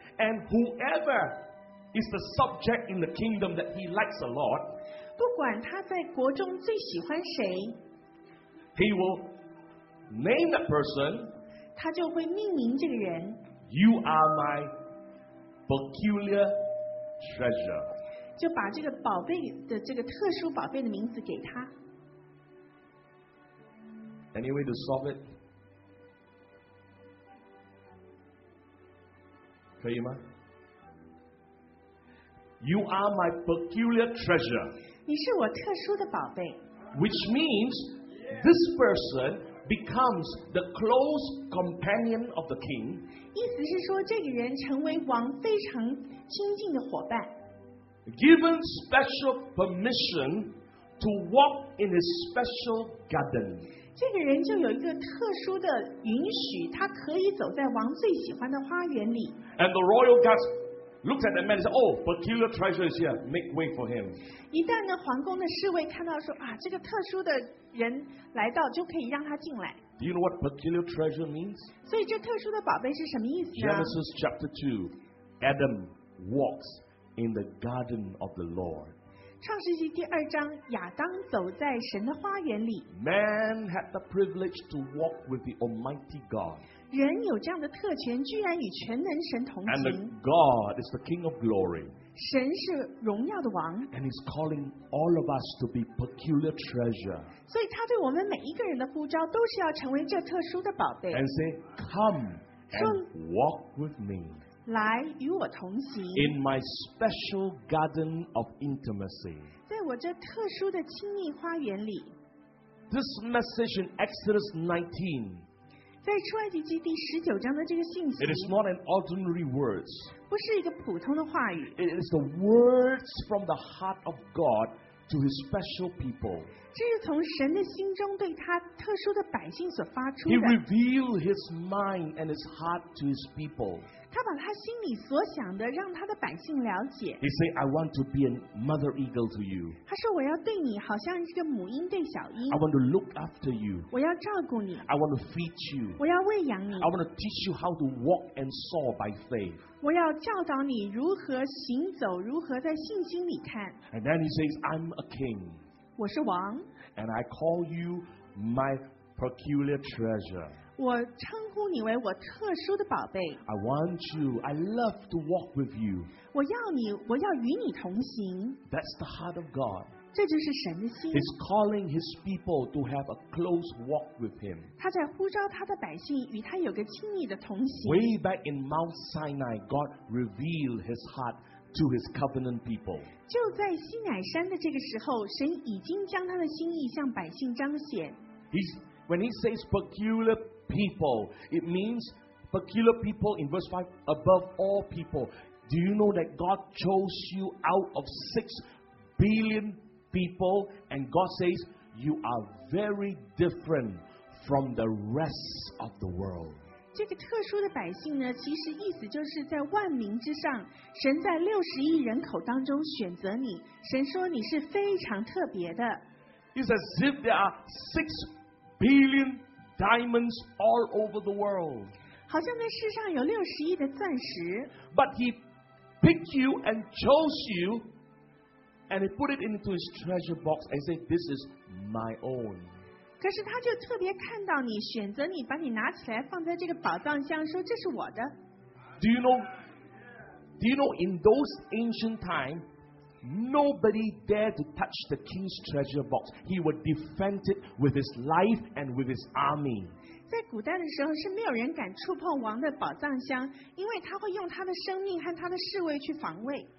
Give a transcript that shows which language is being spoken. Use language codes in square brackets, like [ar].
[en] And whoever is the subject in the kingdom that he likes a lot, [zh] 不管他在国中最喜欢谁。 [en] He will name that person. [zh] 他就会命名这个人。 [en] You are my peculiar treasure. [zh] 就把这个宝贝的这个特殊宝贝的名字给他。 [en] Any way to solve it? [zh] 可以吗？ [en] You are my peculiar treasure. [zh] 你是我特殊的宝贝。 [en] Which means. This person becomes the close companion of the king. [zh] 意思是说，这个人成为王非常亲近的伙伴。 [en] Given special permission to walk in his special garden. [zh] 这个人就有一个特殊的允许，他可以走在王最喜欢的花园里。 [en] And the royal guards looked at the man and said, "Oh, peculiar treasure is here. Make way for him." [zh] 一旦呢，皇宫的侍卫看到说啊，这个特殊的人来到就可以让他进来。 [en] Do you know what peculiar treasure means? [zh] 所以这特殊的宝贝是什么意思呢？ [en] Genesis chapter 2, Adam walks in the garden of the Lord. [zh] 创世纪第二章，亚当走在神的花园里。 [en] Man had the privilege to walk with the Almighty God. [zh] 人有这样的特权，居然与全能神同行。 [en] And the God is the King of Glory. [zh] 神是荣耀的王。 [en] And He's calling all of us to be peculiar treasure. [zh] 所以他对我们每一个人的呼召都是要成为这特殊的宝贝。 [en] And say, come and walk with me. [zh] 来与我同行。 [en] In my special garden of intimacy. [zh] 在我这特殊的亲密花园里。 [en] This message in Exodus 19. [zh] 在出埃及记第十九章的这个信息 [en] It is not an ordinary words. [zh] 不是一个普通的话语 [en] It is the words from the heart of God to His special people. [zh] 这是从神的心中对他特殊的百姓所发出的 [en] He revealed His mind and His heart to His people. [zh] 他把他心里所想的让他的百姓了解 [en] He said, I want to be a mother eagle to you. [zh] 他说我要对你好像一个母鹰对小鹰 [en] I want to look after you. [zh] 我要照顾你 [en] I want to feed you. [zh] 我要喂养你 [en] I want to teach you how to walk and soar by faith. [zh] 我要教导你如何行走如何在信心里看 [en] And then he says, I'm a king. [zh] 我是王 [en] And I call you my peculiar treasure. [zh] 我称呼你为我特殊的宝贝。 [en] I want you. I love to walk with you. [zh] 我要你，我要与你同行。 [en] That's the heart of God. [zh] 这就是神的心。 [en] He's calling his people to have a close walk with him. [zh] 他在呼召他的百姓与他有个亲密的同行。 [en] Way back in Mount Sinai, God revealed his heart to his covenant people. [zh] 就在西乃山的这个时候，神已经将他的心意向百姓彰显。 [en] When he says peculiar. People, it means peculiar people in verse 5, above all people. Do you know that God chose you out of 6 billion people? And God says, you are very different from the rest of the world. [zh] 这个特殊的百姓呢，其实意思就是在万民之上，神在60亿人口当中选择你，神说你是非常特别的。 [en] It's as if there are 6 billion people. Diamonds all over the world. [zh] 好像在世上有六十亿的钻石。 [en] But he picked you and chose you And he put it into his treasure box and said, this is my own. [zh] 可是他就特别看到你，选择你，把你拿起来放在这个宝藏箱，说这是我的。 [en] Do you know in those ancient times, nobody dared to touch the king's treasure box. He would defend it with his life and with his army. [zh] 在古代的时候是没有人敢触碰王的宝藏箱，因为他会用他的生命和他的侍卫去防卫。